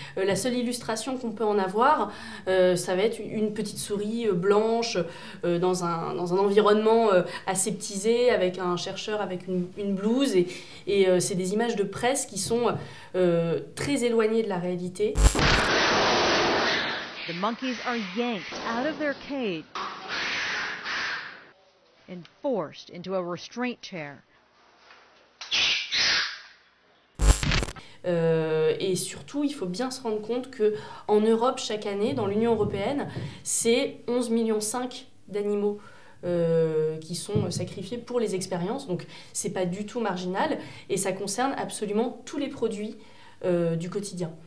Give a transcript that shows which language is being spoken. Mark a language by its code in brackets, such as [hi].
[fr] La seule illustration qu'on peut en avoir, ça va être une petite souris blanche dans un environnement aseptisé avec un chercheur avec une blouse et c'est des images de presse qui sont très éloignées de la réalité. [en] The monkeys are yanked out of their cage and forced into a restraint chair. [fr] Et surtout, il faut bien se rendre compte que en Europe chaque année dans l'Union européenne, c'est 11,5 millions d'animaux qui sont sacrifiés pour les expériences, donc c'est pas du tout marginal, et ça concerne absolument tous les produits du quotidien.